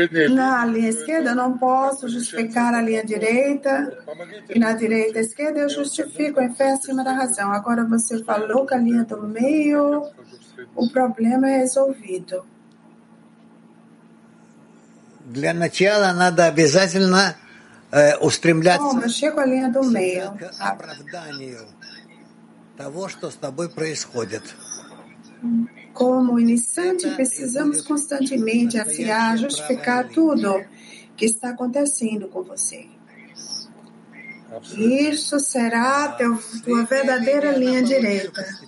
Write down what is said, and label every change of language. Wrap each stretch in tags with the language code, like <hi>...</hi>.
<pt>Na linha esquerda não posso justificar a linha direita, e na direita esquerda eu justifico em fé acima da razão. Agora você falou que a linha do meio, o problema é resolvido.</pt> <ru>Для начала надо обязательно устремляться.</ru> <pt>Bom, eu chego à linha do meio.</pt> <ru>К оправданию того, что с тобой происходит.</ru> <pt>Como iniciante, precisamos constantemente ansiar, justificar tudo que está acontecendo com você. Isso será tua verdadeira linha direita.</pt>